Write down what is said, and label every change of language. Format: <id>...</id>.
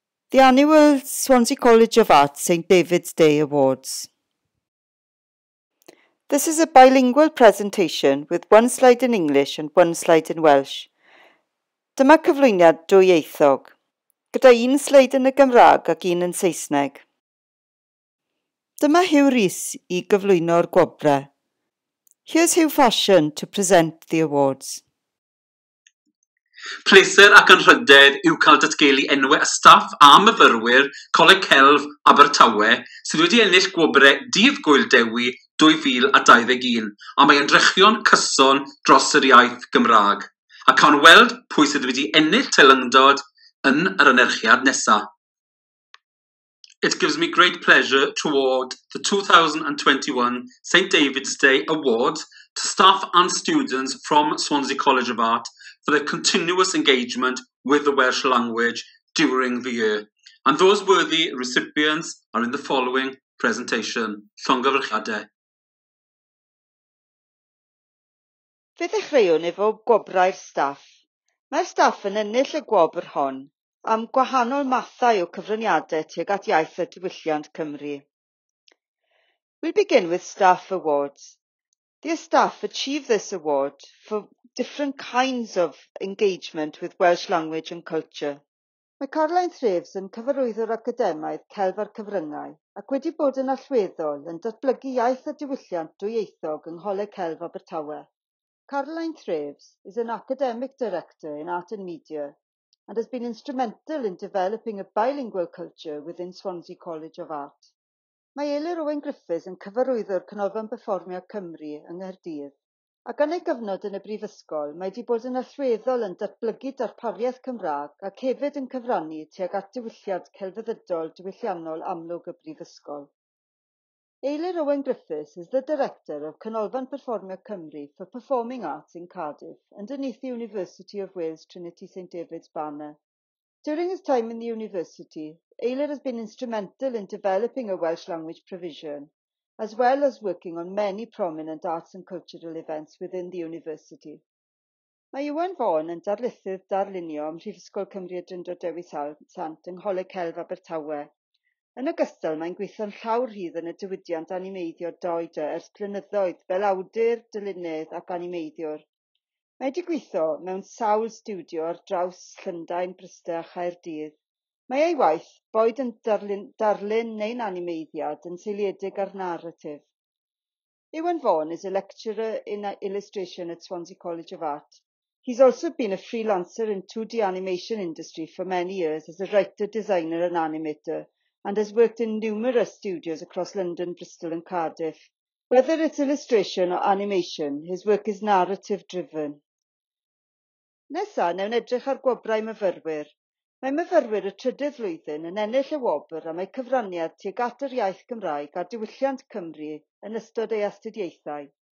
<en>The annual Swansea College of Art St. David's Day Awards. This is a bilingual presentation with one slide in English and one slide in Welsh.</en> <cy>Dyma cyflwyniad dwyieithog, gyda un slide yn y Gymraeg ac un yn Saesneg. Dyma Hugh Rhys I gyflwyno'r gwobrau.</cy> <en>Here's Hugh Fashion to present the awards.</en> <cy>Pleser ac anrhydedd yw cael datgelu enwau y staff a myfyrwyr Coleg Celf Abertawe sydd wedi ennill gwobrau Dydd Gwyldewi 2021 a mae ymdrechion cyson dros yr iaith Gymraeg a cawn weld pwy sydd wedi ennill teilyngdod yn yr anerchiad nesaf.</cy> <en>It gives me great pleasure to award the 2021 St. David's Day Award to staff and students from Swansea College of Art for their continuous engagement with the Welsh language during the year. And those worthy recipients are in the following presentation.</en> <cy>Llongyfarchiadau. Fe ddechreuwn efo gwobrau'r staff. Mae'r staff yn ennill y gwobr hon am gwahanol mathau o cyfraniadau tuag at iaith y diwylliant Cymru.</cy> <en>We'll begin with staff awards. Their staff achieve this award for different kinds of engagement with Welsh language and culture.</en> <cy>Mae Caroline Threves yn cyfarwyddwr academaidd celf a'r cyfryngau ac wedi bod yn allweddol yn datblygu iaith a diwylliant dwyieithog yng Ngholeg Celf Abertawe.</cy> <en>Caroline Threves is an academic director in art and media and has been instrumental in developing a bilingual culture within Swansea College of Art.</en> <cy>Mae Eilir Owen Griffiths yn cyfarwyddwr Canolfan Perfformio Cymru yng Nghaerdydd. Ac yn ei gyfnod yn y brifysgol, mae wedi bod yn allweddol yn datblygu darpariaeth Cymraeg ac hefyd yn cyfrannu tuag at diwylliant celfyddydol diwylliannol amlwg y brifysgol.</cy> <en>Eilir Owen Griffiths is the director of Canolfan Perfformio Cymru for Performing Arts in Cardiff underneath the University of Wales Trinity St David's banner. During his time in the university, Eilir has been instrumental in developing a Welsh language provision, as well as working on many prominent arts and cultural events within the university.</en> <cy>Mae Iwan Fawn yn darlithydd darlunio ym Mhrifysgol Cymru Adrindod Dewi Sant yng Ngholeg Celf Abertawe. Yn ogystal, mae'n gweithio'n llawr rhydd yn y diwydiant animeiddio doedau ers blynyddoedd fel awdur, dylunydd ac animeiddiwr. Mae wedi gweithio mewn sawl stiwdio ar draws Llundain, Bryste a Chaerdydd. Mae ei waith, boed yn darlun neu'n animeiddiad, yn seiliedig ar narratif.</cy> <en>Iwan Vaughan is a lecturer in illustration at Swansea College of Art. He's also been a freelancer in 2D animation industry for many years as a writer, designer and animator, and has worked in numerous studios across London, Bristol and Cardiff. Whether it's illustration or animation, his work is narrative-driven.</en> <cy>Nesa, newn edrych ar gwobrau myfyrwyr. Mae myfyrwyr y trydydd flwyddyn yn ennill y wobr am eu cyfraniad tuag at yr iaith Gymraeg a'r diwylliant Cymru yn ystod ei astudiaethau.</cy>